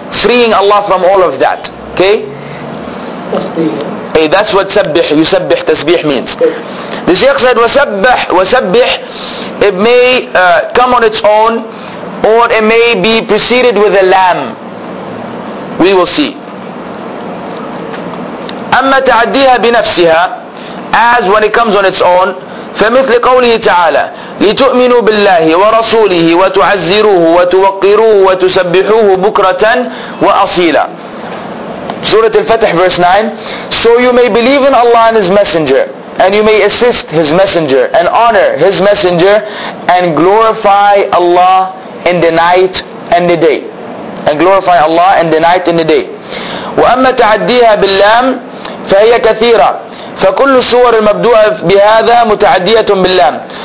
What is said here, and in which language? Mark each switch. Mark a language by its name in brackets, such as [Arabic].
[English] Freeing Allah from all of that. Okay? Hey, that's what سبح, يسبح, تسبيح means. The Shaykh said, وسبح, وسبح, it may come on its own, or it may be preceded with a lamb. We will see. [Arabic] أما تعديها بنفسها, [English] as when it comes on its own, [Arabic] فمثل قوله تعالى لتؤمنوا بالله ورسوله وتعزروه وتوقروه وتسبحوه بكرة وأصيلا. [English] سورة الفتح verse 9. So you may believe in Allah and His Messenger, and you may assist His Messenger and honor His Messenger and glorify Allah in the night and the day. And glorify Allah in the night and the day. [Arabic] وأما تعديها باللام فهي كثيرة فكل الصور المبدوعة بهذا متعدية باللام.